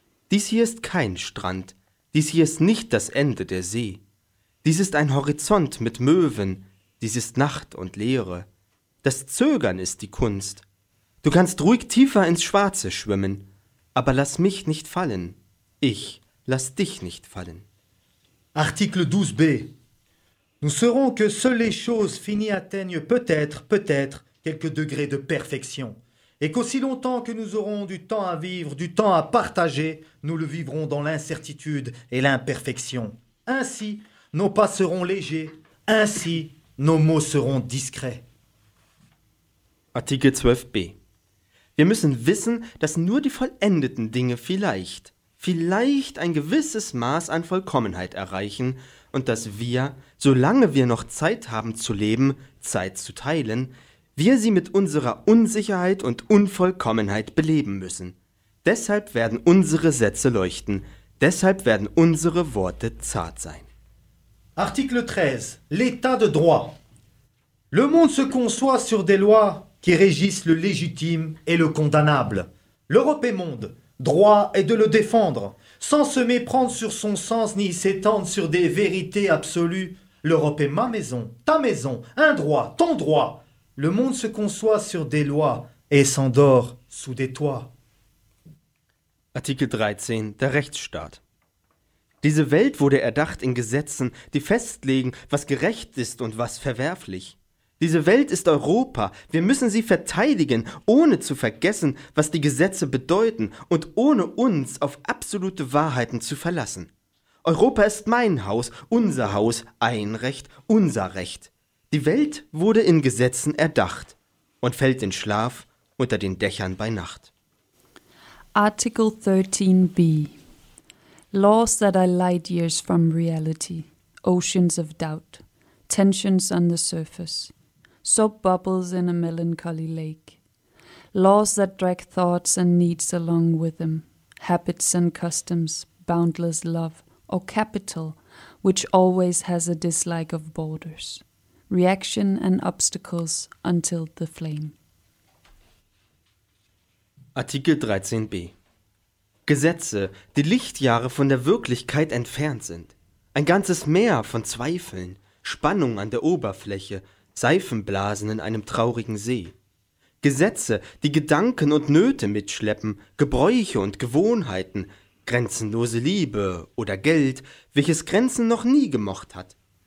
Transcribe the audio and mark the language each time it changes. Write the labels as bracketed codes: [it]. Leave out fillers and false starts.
[de] Dies hier ist kein Strand. Dies hier ist nicht das Ende der See. Dies ist ein Horizont mit Möwen. Dies ist Nacht und Leere. Das Zögern ist die Kunst. Du kannst ruhig tiefer ins Schwarze schwimmen. Aber lass mich nicht fallen. Ich lass dich nicht fallen. Artikel 12b. [fr] Nous saurons que seules les choses finies atteignent peut-être, peut-être, quelques degrés de perfection. Et qu'aussi longtemps que nous aurons du temps à vivre, du temps à partager, nous le vivrons dans l'incertitude et l'imperfection. Ainsi, nos pas seront légers. Ainsi, nos mots seront discrets. [de] Artikel 12b. Wir müssen wissen, dass nur die vollendeten Dinge vielleicht, vielleicht ein gewisses Maß an Vollkommenheit erreichen und dass wir, solange wir noch Zeit haben zu leben, Zeit zu teilen, wir sie mit unserer Unsicherheit und Unvollkommenheit beleben müssen. Deshalb werden unsere Sätze leuchten, deshalb werden unsere Worte zart sein. Artikel 13. [fr] L'état de droit. Le monde se conçoit sur des lois qui régissent le légitime et le condamnable. L'Europe est monde, droit est de le défendre. Sans se méprendre sur son sens ni s'étendre sur des vérités absolues, l'Europe est ma maison, ta maison, un droit, ton droit. Le monde se conçoit sur des lois et s'endort sous des toits. [de] Artikel 13, der Rechtsstaat. Diese Welt wurde erdacht in Gesetzen, die festlegen, was gerecht ist und was verwerflich. Diese Welt ist Europa, wir müssen sie verteidigen, ohne zu vergessen, was die Gesetze bedeuten und ohne uns auf absolute Wahrheiten zu verlassen. Europa ist mein Haus, ein Recht, unser Recht. Die Welt wurde in Gesetzen erdacht und fällt in Schlaf unter den Dächern bei Nacht. Artikel 13b. [en] Laws that are light years from reality, oceans of doubt, tensions on the surface. Soap bubbles in a melancholy lake. Laws that drag thoughts and needs along with them. Habits and customs, boundless love, or capital, which always has a dislike of borders. Reaction and obstacles until the flame. [de] Artikel 13b. Gesetze, die Lichtjahre von der Wirklichkeit entfernt sind. Ein ganzes Meer von Zweifeln, Spannung an der Oberfläche, Seifenblasen in einem traurigen See. Gesetze, die Gedanken und Nöte mitschleppen, Gebräuche und Gewohnheiten, grenzenlose Liebe oder Geld, welches Grenzen noch nie gemocht hat.